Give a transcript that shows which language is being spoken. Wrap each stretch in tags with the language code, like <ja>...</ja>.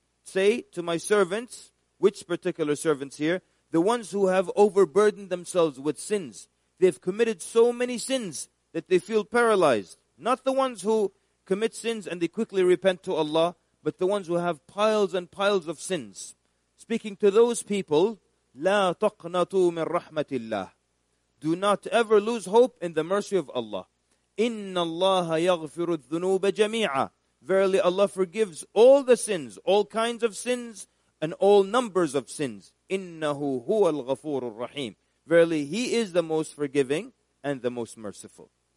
<en>Say to my servants, which particular servants here? The ones who have overburdened themselves with sins. They've committed so many sins that they feel paralyzed. Not the ones who commit sins and they quickly repent to Allah, but the ones who have piles and piles of sins. Speaking to those people,</en> <ar>لَا تَقْنَطُوا مِن رَحْمَةِ اللَّهِ.</ar> <en>Do not ever lose hope in the mercy of Allah.</en> <ar>إِنَّ اللَّهَ يَغْفِرُ الذُّنُوبَ جَمِيعًا.</ar> <en>Verily Allah forgives all the sins, all kinds of sins, and all numbers of sins.</en> <ar>إِنَّهُ هُوَ الْغَفُورُ الرَّحِيمُ.</ar> <en>Verily, He is the most forgiving and the most merciful.</en>